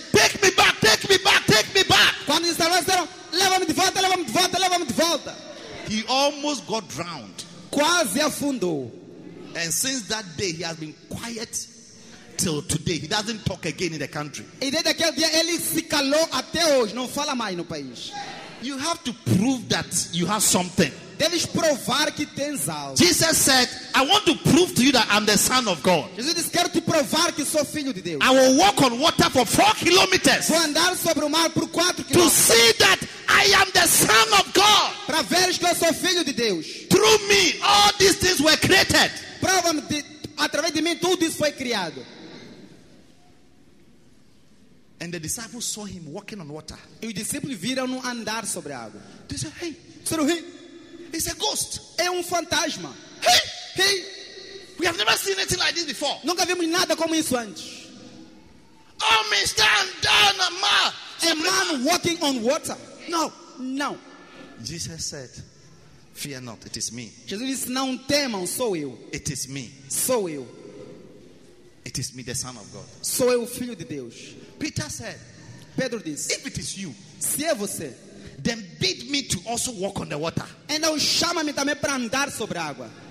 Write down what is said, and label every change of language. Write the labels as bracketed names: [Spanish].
[English] take me back, take me back, take me back. [Portuguese] Quando instalou, disseram, leva-me de volta, leva-me de volta, leva-me de volta. [English] He almost got drowned. [Portuguese] Quase afundou. [English] And since that day, he has been quiet till today. He doesn't talk again in the country. [Portuguese] E desde aquele dia, ele se calou até hoje, não fala mais no país. [English] You have to prove that you have something. [Portuguese] Deves provar que tens algo. [English] Jesus said, I want to prove to you that I'm the Son of God. [Portuguese] Jesus disse, quero te provar que sou filho de Deus. [English] I will walk on water for 4 kilometers. [Portuguese] Vou andar sobre o mar por 4 quilômetros. [English] To see that I am the Son of God. [Portuguese] Para veres que eu sou filho de Deus. [English] Through me, all these things were created. [Portuguese] Prova-me, de, através de mim, tudo isso foi criado. [English] And the disciples saw him walking on water. [Portuguese] E os discípulos viram no andar sobre a água. [English] They said, hey, Saruhi, it's a ghost. [Portuguese] É fantasma. [English] Hey, hey, we have never seen anything like this before. [Portuguese] Nunca vimos nada como isso antes. [English] Oh, me stand down, a man. A man walking on water. No, no. Jesus said, fear not, it is me. [Portuguese] Jesus disse, não temam, sou eu. [English] It is me. [Portuguese] Sou eu. [English] It is me, the Son of God. [Portuguese] Sou eu, filho de Deus. [English] Peter said, [Portuguese] Pedro disse, [English] if it is you, [Portuguese] se é você, [English] then bid me to also walk on the water. [Portuguese] Então chama-me também para andar sobre a água.